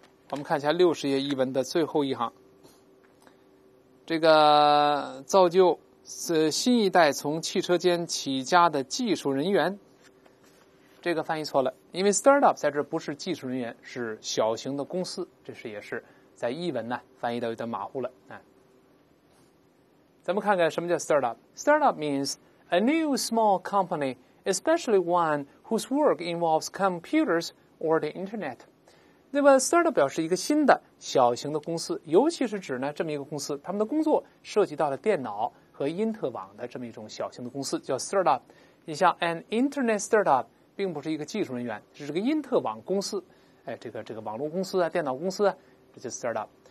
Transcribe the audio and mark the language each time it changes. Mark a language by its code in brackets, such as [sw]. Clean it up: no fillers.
[zh] 我们看一下六十页译文的最后一行，这个造就是新一代从汽车间起家的技术人员。这个翻译错了，因为 startup 在这不是技术人员，是小型的公司。这是也是在译文呢翻译的有点马虎了。咱们看看什么叫 startup。 [en] Startup means a new small company, especially one whose work involves computers or the internet. [zh] 那么 startup 表示一个新的小型的公司，尤其是指呢这么一个公司，他们的工作涉及到了电脑和因特网的这么一种小型的公司叫 startup。你像 [en] an internet startup [zh] 并不是一个技术人员，是这个因特网公司，这个网络公司啊，电脑公司啊，这就是 startup。